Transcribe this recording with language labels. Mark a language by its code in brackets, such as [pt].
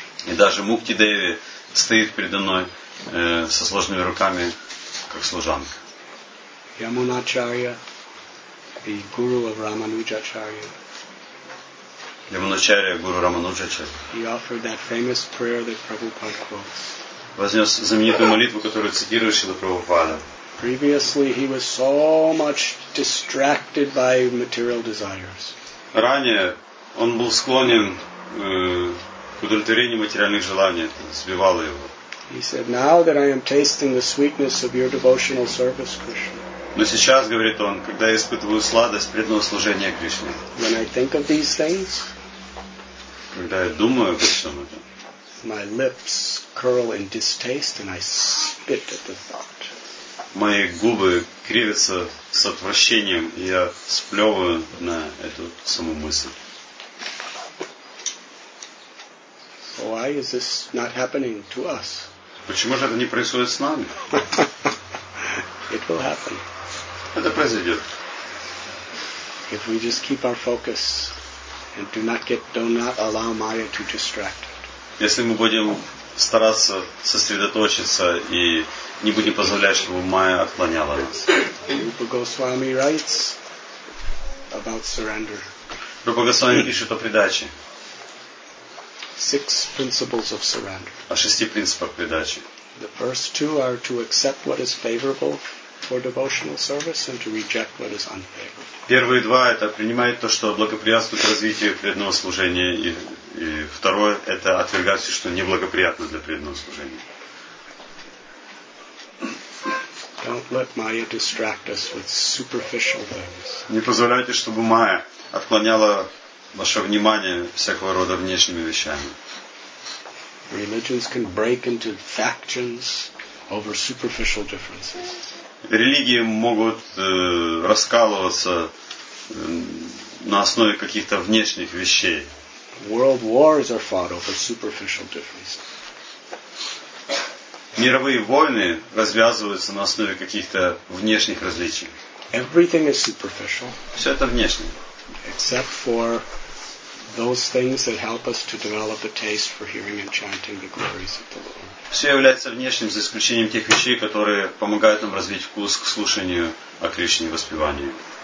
[ru] И даже Мукти Деви стоит передо мной со сложными руками, как служанка. [en] Ямуначарья, the guru of Рамануджачарья. [ru] Ямуначарья, гуру Рамануджачарья. [en] He offered that famous prayer that Prabhupada quotes. [ru] Вознес знаменитую молитву, которую цитирует Шрила Прабхупада. [en] Previously he was so much distracted by material desires. [ru] Ранее он был склонен к удовлетворению материальных желаний, сбивало его. [en] He said, now that I am tasting the sweetness of your devotional service, Krishna. [ru] Но сейчас, говорит он, когда я испытываю сладость преданного служения Кришне. [en] When I think of these things, [ru] когда я думаю об этом, [en] my lips curl in distaste and I spit at the thought. [ru] Мои губы кривятся с отвращением, и я сплевываю на эту саму мысль. [en] Why is this not happening to us? [ru] Почему же это не происходит с нами? [en] It will happen. [ru] Это произойдет. [en] If we just keep our focus and do not allow Maya to distract us. [ru] Если мы будем стараться сосредоточиться и не будем позволять, чтобы Майя отклоняла нас. [en] Rupa Goswami writes about surrender. [ru] Rupa Goswami пишет о предаче. [en] Six principles of surrender. [ru] О шести принципах предачи. [en] The first two are to accept what is favorable for devotional service and to reject what is unfavorable. [ru] Первые два это принимать то, что благоприятствует развитию преданного служения, и второе это отвергать все, что неблагоприятно для преданного служения. [en] Don't let Maya distract us with superficial things. [ru] Не позволяйте, чтобы Майя отклоняла ваше внимание всякого рода внешними вещами. [en] Religions can break into factions over superficial differences. [ru] Религии могут раскалываться на основе каких-то внешних вещей. [en] World wars are fought over superficial differences. [ru] Мировые войны развязываются на основе каких-то внешних различий. [en] Everything is superficial. [ru] Все это внешнее. [en] Except for those things that help us to develop a taste for hearing and chanting the glories of the Lord. [ru] Все является внешним, за исключением тех вещей, которые помогают нам развить вкус к слушанию о Кришне и воспеванию.